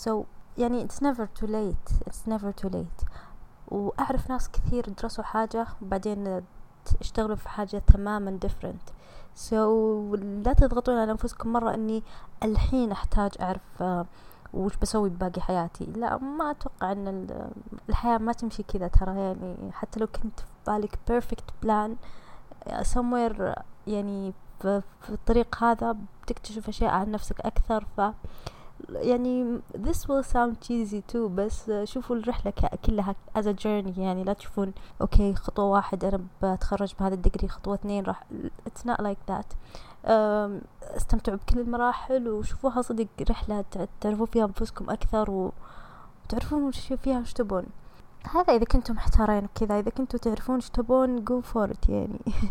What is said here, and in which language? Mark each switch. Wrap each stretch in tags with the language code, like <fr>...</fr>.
<en>So</en> <ar>يعني</ar> <en>it's never too late. It's never too late.</en> <ar>وأعرف ناس كثير درسوا حاجة وبعدين اشتغلوا في حاجة تماما</ar> <en>different. So</en> <ar>لا تضغطون على أنفسكم مرة أني الحين أحتاج أعرف وش بسوي بباقي حياتي. لا، ما أتوقع أن الحياة ما تمشي كذا ترى. يعني حتى لو كنت في بالك</ar> <en>perfect plan somewhere،</en> <ar>يعني في الطريق هذا بتكتشف أشياء عن نفسك أكثر. ف يعني</ar> <en>this will sound cheesy too،</en> <ar>بس شوفوا الرحلة كلها</ar> <en>as a journey.</en> <ar>يعني لا تشوفون</ar> <en>okay</en> <ar>خطوة واحد أنا بتخرج بهذا الدقري، خطوة اثنين راح،</ar> <en>it's not like that.</en> <ar>استمتعوا بكل المراحل وشوفوها صديق رحلة تعرفوا فيها أنفسكم أكثر وتعرفون شو فيها وش تبون. هذا إذا كنتم محتارين كذا، إذا كنتم تعرفون شو تبون</ar> <en>go for it</en> <ar>يعني.</ar>